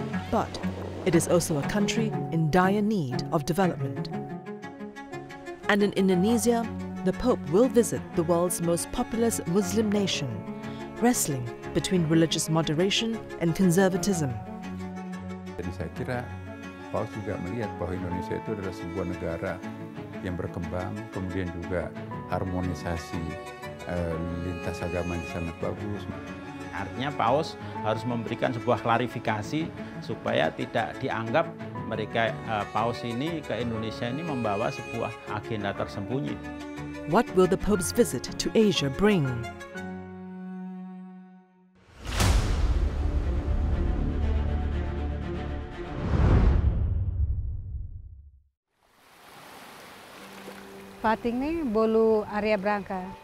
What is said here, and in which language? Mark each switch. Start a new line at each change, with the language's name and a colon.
English: But it is also a country in dire need of development. And in Indonesia, the Pope will visit the world's most populous Muslim nation, wrestling between religious moderation and conservatism.
Indonesian: Jadi saya kira Paus juga melihat bahwa Indonesia itu adalah sebuah negara yang berkembang, kemudian juga harmonisasi lintas agama yang sangat bagus. Artinya Paus harus memberikan sebuah klarifikasi supaya tidak dianggap mereka Paus ini ke Indonesia ini membawa sebuah agenda tersembunyi.
English: What will the Pope's visit to Asia bring? Pating ni bolu area branca.